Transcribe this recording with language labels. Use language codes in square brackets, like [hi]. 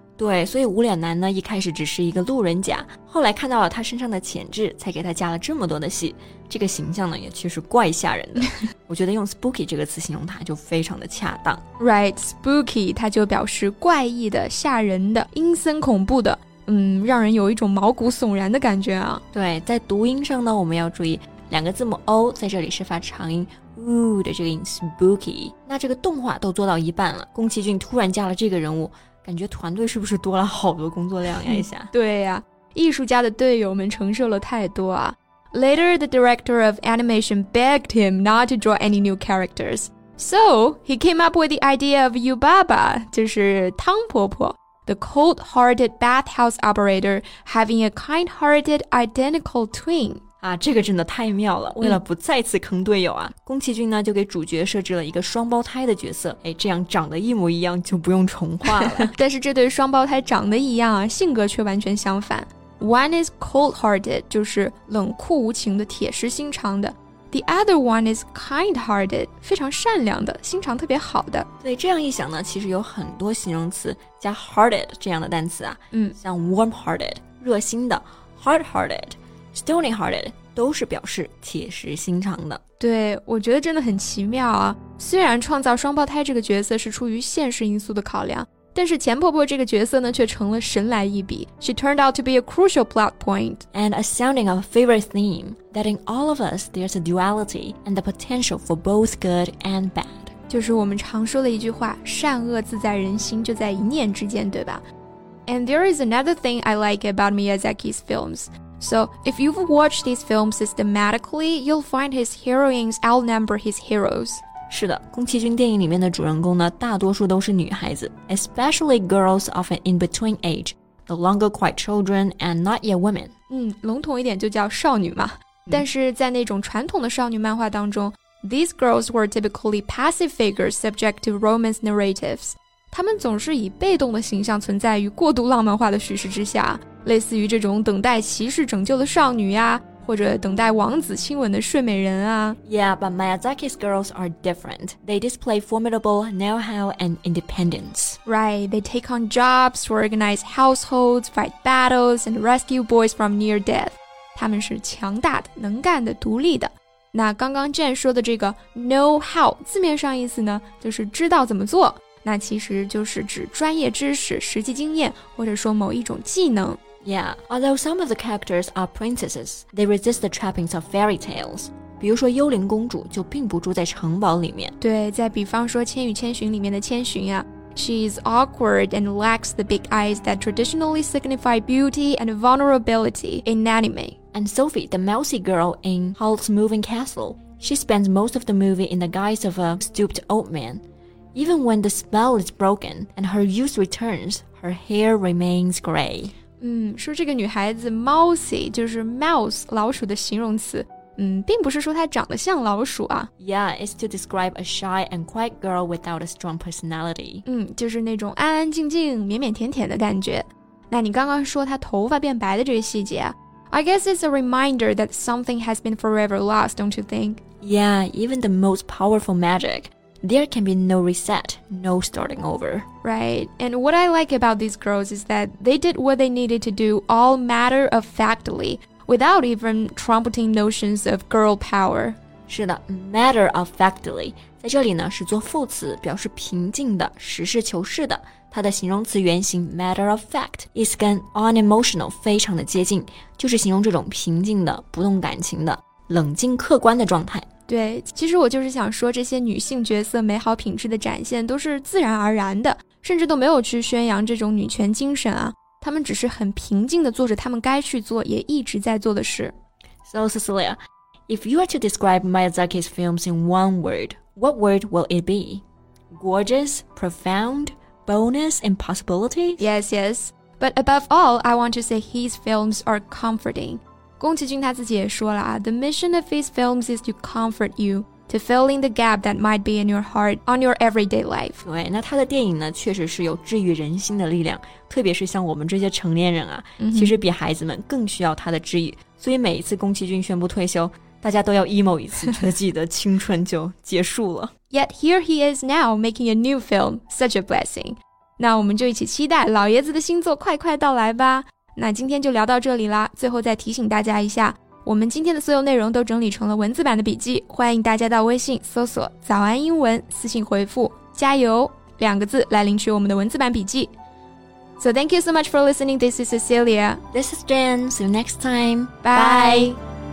[zh] 对，所以无脸男呢，一开始只是一个路人甲，后来看到了他身上的潜质，才给他加了这么多的戏。这个形象呢，也确实怪吓人的。我觉得用 spooky 这个词形容他就非常的恰当。 Right, spooky, 它就表示怪异的、吓人的、阴森恐怖的。让人有一种毛骨悚然的感觉啊。对，在读音上呢，我们要注意两个字母 O 在这里是发长音 U 的这个音 spooky。那这个动画都做到一半了，宫崎骏突然加了这个人物，感觉团队是不是多了好多工作量呀？一下，对呀、啊，艺术家的队友们承受了太多啊。 [en] Later, the director of animation begged him not to draw any new characters, so he came up with the idea of Yubaba, [zh] 就是汤婆婆。 [en] the cold-hearted bathhouse operator having a kind-hearted identical twin. [zh] 啊，这个真的太妙了，为了不再次坑队友啊，宫崎骏呢就给主角设置了一个双胞胎的角色，哎，这样长得一模一样就不用重画了。但是这对双胞胎长得一样啊，性格却完全相反。 [en] One is cold-hearted, [zh] 就是冷酷无情的，铁石心肠的。 [en] The other one is kind-hearted, [zh] 非常善良的，心肠特别好的。对，这样一想呢，其实有很多形容词加 hearted 这样的单词啊，像 warm-hearted, 热心的， hard-hearted, stony-hearted, 都是表示铁石心肠的。对，我觉得真的很奇妙啊。虽然创造双胞胎这个角色是出于现实因素的考量，但是钱婆婆这个角色呢却成了神来一笔。 [en] She turned out to be a crucial plot point and a sounding of a favorite theme that in all of us there's a duality and the potential for both good and bad. [zh] 就是我们常说的一句话，善恶自在人心，就在一念之间，对吧？ [en] And there is another thing I like about Miyazaki's films. So if you've watched these films systematically, you'll find his heroines outnumber his heroes. [zh] 是的，宫崎骏电影里面的主人公呢大多数都是女孩子， [en] especially girls of an in-between age, no longer quite children and not yet women. [zh] 笼统一点就叫少女嘛。但是在那种传统的少女漫画当中， [en] these girls were typically passive figures subject to romance narratives. [zh] 她们总是以被动的形象存在于过度浪漫化的叙事之下，类似于这种等待骑士拯救的少女呀，或者等待王子亲吻的睡美人啊。 [en] Yeah, but Miyazaki's girls are different. They display formidable know-how and independence. Right, they take on jobs, organize households, fight battles, and rescue boys from near death. [zh] 他们是强大的，能干的，独立的。那刚刚 Jen 说的这个 know-how, 字面上意思呢，就是知道怎么做。那其实就是指专业知识，实际经验，或者说某一种技能。 [en] Yeah, although some of the characters are princesses, they resist the trappings of fairy tales. [zh] 比如说幽灵公主就并不住在城堡里面。对，再比方说千与千寻里面的千寻啊。 [en] She is awkward and lacks the big eyes that traditionally signify beauty and vulnerability in anime. And Sophie, the mousy girl in Howl's Moving Castle, she spends most of the movie in the guise of a stooped old man. Even when the spell is broken and her youth returns, her hair remains gray. [zh] 说这个女孩子 mousy 就是 mouse 老鼠的形容词，并不是说她长得像老鼠啊。 [en] Yeah, it's to describe a shy and quiet girl without a strong personality. [zh] 就是那种安安静静、腼腼腆腆的感觉。那你刚刚说她头发变白的这个细节 [en] ，I guess it's a reminder that something has been forever lost, don't you think? Yeah, even the most powerful magic. There can be no reset, no starting over. Right, and what I like about these girls is that they did what they needed to do all matter-of-factly, without even trumpeting notions of girl power. [zh] 是的 matter-of-factly, 在这里呢是做副词，表示平静的，实事求是的。它的形容词原型 matter-of-fact 意思跟 unemotional 非常的接近，就是形容这种平静的，不动感情的，冷静客观的状态。对，其实我就是想说这些女性角色美好品质的展现都是自然而然的，甚至都没有去宣扬这种女权精神啊，她们只是很平静地做着她们该去做也一直在做的事。 [en] So Cecilia, if you are to describe Miyazaki's films in one word, what word will it be? Gorgeous? Profound? Bonus? Impossibility? Yes, yes. But above all, I want to say his films are comforting. [zh] 宫崎骏他自己也说了啊 [en] ,The mission of his films is to comfort you, to fill in the gap that might be in your heart on your everyday life. [zh] 对，那他的电影呢确实是有治愈人心的力量，特别是像我们这些成年人啊，其实比孩子们更需要他的治愈。所以每一次宫崎骏宣布退休，大家都要 emo 一次，觉得自己的青春就结束了。 [en] Yet here he is now making a new film, such a blessing. [zh] 那我们就一起期待老爷子的新作快快到来吧。那今天就聊到这里啦，最后再提醒大家一下，我们今天的所有内容都整理成了文字版的笔记，欢迎大家到微信搜索早安英文，私信回复加油两个字来领取我们的文字版笔记。 [en] So thank you so much for listening. This is Cecilia. This is Jen. See you next time. Bye. Bye.